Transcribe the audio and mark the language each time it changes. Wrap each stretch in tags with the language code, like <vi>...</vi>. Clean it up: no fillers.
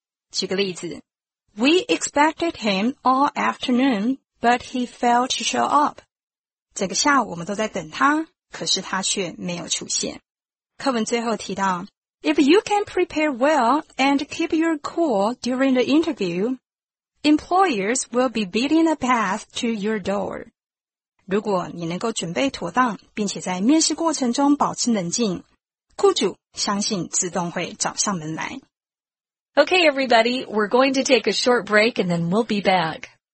<zh>举个例子</zh> <en>,We expected him all afternoon, but he failed to show up.</en> <zh>整个下午我们都在等他，可是他却没有出现。课文最后提到</zh> <en>If you can prepare well and keep your cool during the interview, employers will be beating a path to your door.</en> <zh>如果你能够准备妥当，并且在面试过程中保持冷静，雇主相信自动会找上门来。</zh> <en>Okay, everybody, we're going to take a short break and then we'll be back.</en>